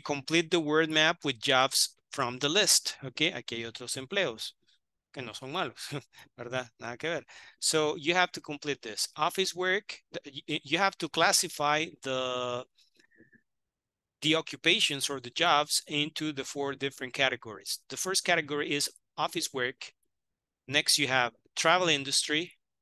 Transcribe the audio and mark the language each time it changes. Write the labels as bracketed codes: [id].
[en] Complete the word map with jobs from the list, okay? [es] Aquí hay otros empleos que no son malos, ¿verdad? Nada que ver. [en] So, you have to complete this. Office work, you have to classify the occupations or the jobs into the four different categories. The first category is office work. Next, you have travel industry.